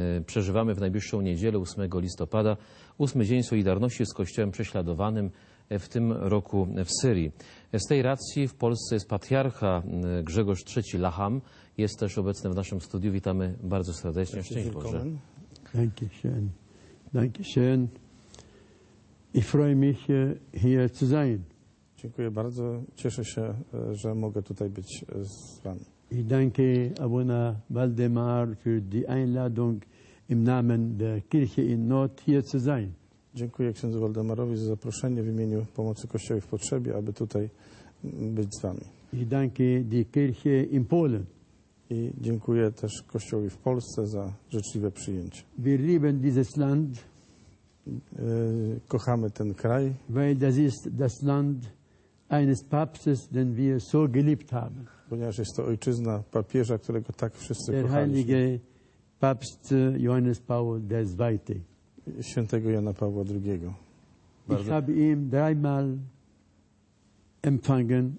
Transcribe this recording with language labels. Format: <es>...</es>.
<pl>Przeżywamy w najbliższą niedzielę, 8 listopada, 8 Dzień Solidarności z Kościołem Prześladowanym w tym roku w Syrii. Z tej racji w Polsce jest patriarcha Grzegorz III Lacham. Jest też obecny w naszym studiu. Witamy bardzo serdecznie. Szczęść Boże.</pl> <de>Danke schön. Danke schön. Ich freue mich, hier zu sein.</de> <pl>Dziękuję bardzo. Cieszę się, że mogę tutaj być z Wami.</pl> <de>I danke Abuna Waldemar für die Einladung im Namen der Kirche in Not hier zu sein.</de> <pl>Dziękuję księdzu Waldemarowi za zaproszenie w imieniu Pomocy Kościoła w Potrzebie, aby tutaj być z Wami.</pl> <de>I danke die Kirche in Polen.</de> <pl>I dziękuję też Kościołowi w Polsce za życzliwe przyjęcie.</pl> <de>Wir lieben dieses Land.</de> <pl>Kochamy ten kraj.</pl> <de>Weil das ist das Land eines Papstes, den wir so geliebt haben.</de> <pl>Ponieważ jest to ojczyzna papieża, którego tak wszyscy kochamy.</pl> <de>Der heilige Papst Johannes Paul II.</de> <pl>Świętego Jana Pawła II. Bardzo...</pl> <de>Ich habe ihn dreimal empfangen.</de>